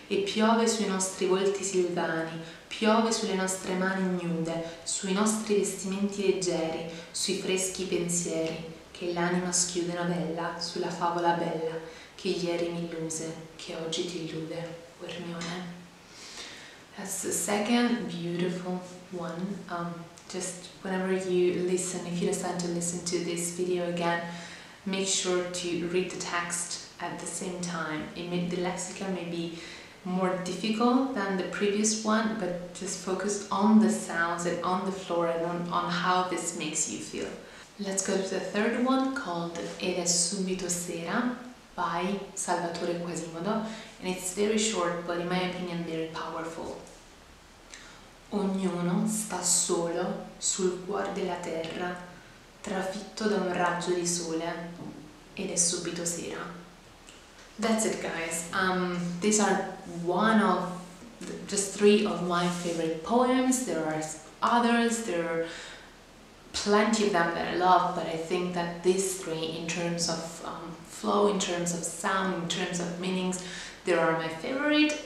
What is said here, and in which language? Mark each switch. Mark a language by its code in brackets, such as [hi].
[it] E piove sui nostri volti silvani, piove sulle nostre mani ignude, sui nostri vestimenti leggeri, sui freschi pensieri, che l'anima schiude una bella sulla favola bella, che ieri mi illuse, che oggi ti illude, Ermione. [en] That's the second beautiful one. Just whenever you listen, if you decide to listen to this video again, make sure to read the text at the same time. The lexicon may be more difficult than the previous one, but just focus on the sounds and on the flora and on how this makes you feel. Let's go to the third one called Ed è subito sera by Salvatore Quasimodo, and it's very short, but in my opinion very powerful. [it] Ognuno sta solo sul cuor della terra, trafitto da un raggio di sole, ed è subito sera. [en] That's it, guys. These are one of the, just three of my favorite poems. There are others, there are plenty of them that I love, but I think that these three, in terms of flow, in terms of sound, in terms of meanings, they are my favorite.